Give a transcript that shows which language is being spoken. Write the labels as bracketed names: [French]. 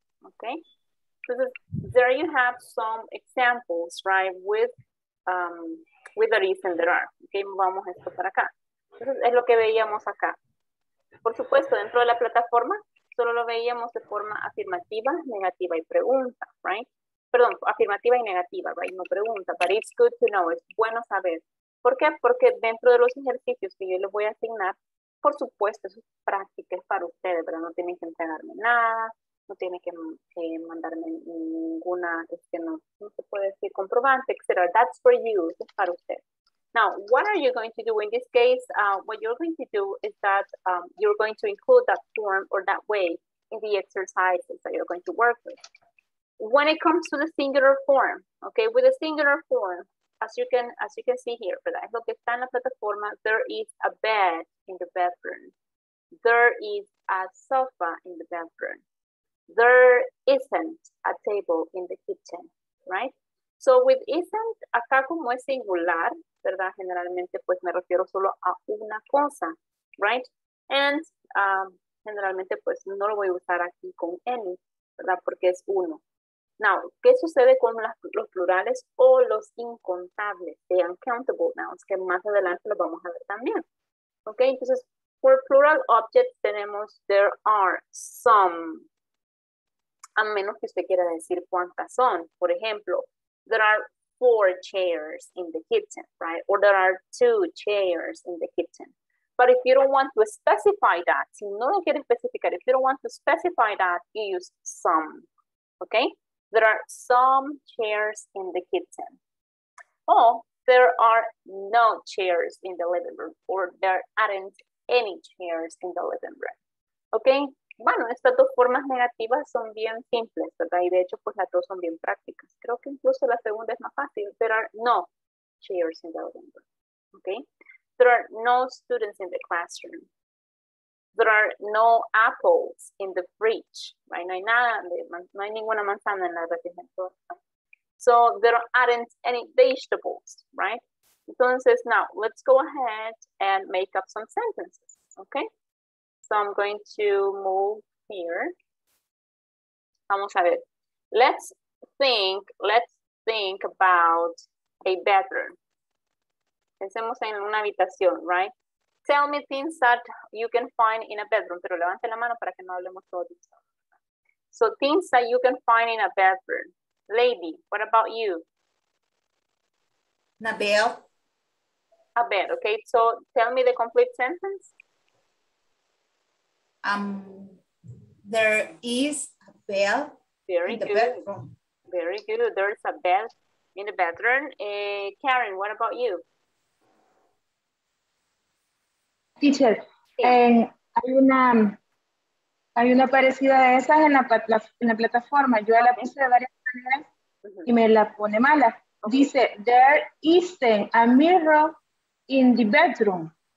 [English] Okay, so there you have some examples, right, with the reason there are. [Spanish] Okay, vamos esto para acá. Entonces, es lo que veíamos acá. Por supuesto, dentro de la plataforma. Solo lo veíamos de forma afirmativa, negativa y pregunta, right? Perdón, afirmativa y negativa, right? No pregunta, [English] but it's good to know, [Spanish] es bueno saber. ¿Por qué? Porque dentro de los ejercicios que yo les voy a asignar, por supuesto, eso es práctica, es para ustedes, pero no tienen que entregarme nada, no tienen que mandarme ninguna, es que no se puede decir comprobante, etc. [English] That's for you, [Spanish] es para ustedes. [English] Now, what are you going to do in this case? What you're going to do is that you're going to include that form or that way in the exercises that you're going to work with. When it comes to the singular form, okay, with the singular form, as you can see here, [Spanish] ¿verdad? Es lo que está en la plataforma, [English] there is a bed in the bedroom. There is a sofa in the bedroom. There isn't a table in the kitchen, right? So with isn't, [Spanish] acá como es singular, ¿verdad? Generalmente pues me refiero solo a una cosa, right? And generalmente pues no lo voy a usar aquí con any, ¿verdad? Porque es uno. Now, ¿qué sucede con los plurales o los incontables? [English] The uncountable nouns, [Spanish] que más adelante los vamos a ver también. Ok, entonces, [English] for plural objects [Spanish] tenemos [English] there are some. [Spanish] A menos que usted quiera decir cuántas son. [English] Por ejemplo, there are four chairs in the kitchen, right? Or there are two chairs in the kitchen. But if you don't want to specify that, [Spanish] si no lo quiere especificar, [English] if you don't want to specify that, you use some, ok? There are some chairs in the kitchen. Oh, there are no chairs in the living room. Or there aren't any chairs in the living room. ¿Ok? [Spanish] Bueno, estas dos formas negativas son bien simples, ¿verdad? Y de hecho, pues las dos son bien prácticas. Creo que incluso la segunda es más fácil. [English] There are no chairs in the living room. ¿Ok? There are no students in the classroom. There are no apples in the fridge, right? [Spanish] No hay nada, no hay ninguna manzana en la refrigeradora. [English] So there aren't any vegetables, right? Entonces, now let's go ahead and make up some sentences, okay? So I'm going to move here. Vamos a ver. Let's think about a bedroom. [Spanish] Pensemos en una habitación, right? [English] Tell me things that you can find in a bedroom. [Spanish] Pero levante la mano para que no hablemos todos. [English] So things that you can find in a bedroom. Lady, what about you? A bed. A bed, okay. So tell me the complete sentence. There is a bed. Very good. Bedroom. Very good. There is a bed in the bedroom. Karen, what about you? [Spanish] Teacher, hay una parecida de esas en la plataforma. Yo la puse de varias maneras y me la pone mala. [English] Dice, there is a mirror in the bedroom.